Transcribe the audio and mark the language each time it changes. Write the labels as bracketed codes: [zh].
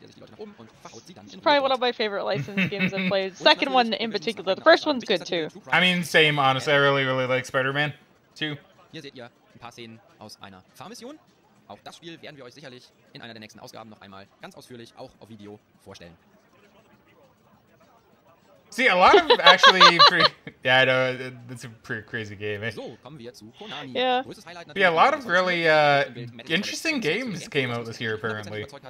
[en] It's probably one of my favorite licensed games I've played. Second one in particular. The first one's good, too. I mean, same, honestly. I really, really like Spider-Man 2. [de] Hier seht ihr ein paar Szenen aus einer Fahrmission. Auch das Spiel werden wir euch sicherlich in einer der nächsten Ausgaben noch einmal ganz ausführlich auch auf Video vorstellen. [en] See, a lot of actually pretty, yeah, I know, it's a pretty crazy game, eh? [de] So, kommen wir zu Konami. [en] Yeah. Yeah, a lot of really interesting games came out this year, apparently.